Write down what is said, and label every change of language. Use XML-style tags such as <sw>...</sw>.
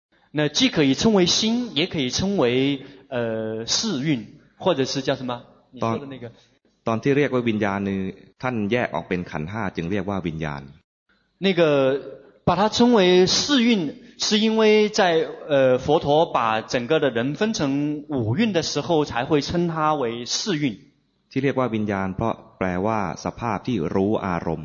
<zh>那既可以称为心，也可以称为世运，或者是叫什么？你说的那个。</zh> <th>ตอนที่เรียกว่าวิญญาณนี่ท่านแยกออกเป็นขันธ์ 5จึงเรียกว่าวิญญาณ</th> <zh>那个把它称为世运是因为在佛陀把整个的人分成五蕴的时候才会称它为世运</zh> <th>ที่เรียกว่าวิญญาณเพราะแปลว่าสภาพที่รู้อารมณ</th>